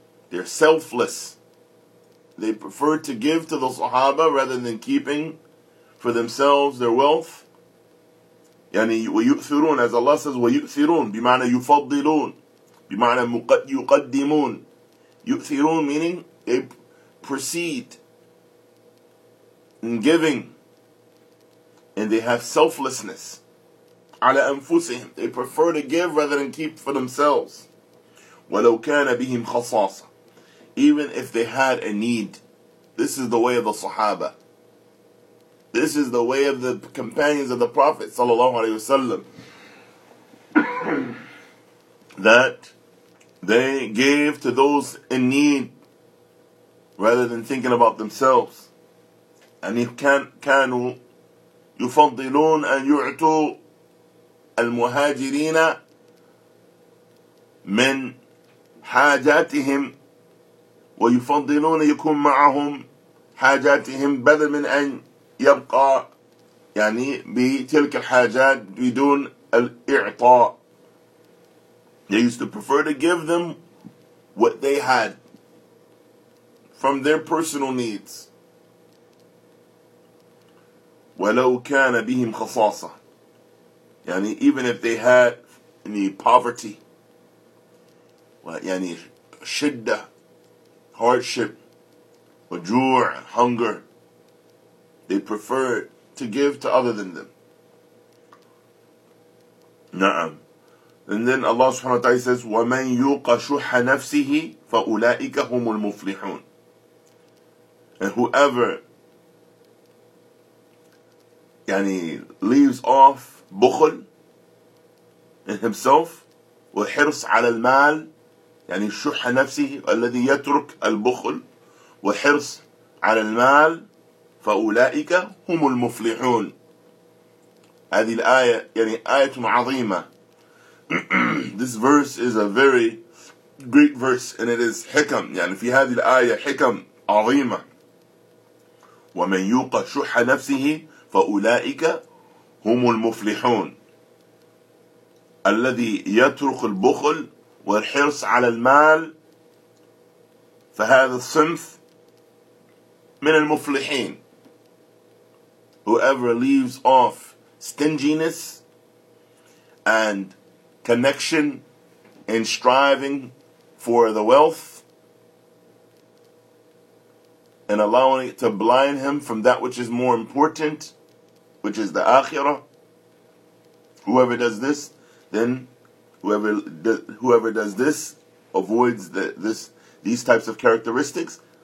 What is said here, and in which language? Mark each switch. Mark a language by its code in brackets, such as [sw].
[en] They're selfless. They prefer to give to the Sahaba rather than keeping for themselves their wealth. [ar] يعني ويؤثرون, [en] as Allah says, [ar] ويؤثرون بمعنى يفضلون بمعنى يقدمون. [en] يؤثرون meaning they proceed in giving, and they have selflessness. [ar] على أنفسهم, [en] they prefer to give rather than keep for themselves. [ar] ولو كان بهم خصاصة, [en] even if they had a need. This is the way of the Sahaba. This is the way of the companions of the Prophet sallallahu alaihi wasallam, that they gave to those in need rather than thinking about themselves. [ar] And كانوا يفضلون أن يعطوا المهاجرين من حاجاتهم ويفضلون يكون معهم حاجاتهم بدل من أن يبقى بتلك الحاجات بدون الإعطاء. [en] They used to prefer to give them what they had from their personal needs. [ar] ولو كان بهم خصاصة, [en] even if they had any poverty, شدة, hardship, وجوع, hunger, they prefer to give to other than them. [ar] Na'am. [en] And then Allah subhanahu wa ta'ala says, [ar] وَمَنْ يُوقَ شُحَّ نَفْسِهِ فَأُولَٰئِكَ هُمُ الْمُفْلِحُونَ. [en] And whoever yani leaves off bukhul in himself, [ar] وحرص على المال يعني الشح نفسه الذي يترك البخل وحرص على المال فأولئك هم المفلحون. هذه الآية يعني آية عظيمة. [en] This verse is a very great verse and it is حكم. [ar] يعني في هذه الآية حكم عظيمة. ومن يوق شح نفسه فأولئك هم المفلحون. الذي يترك البخل والحرص على المال فهذا الصنف من المفلحين. [en] Whoever leaves off stinginess and connection and striving for the wealth and allowing it to blind him from that which is more important, which is the akhirah, whoever does this, then whoever does this avoids these types of characteristics.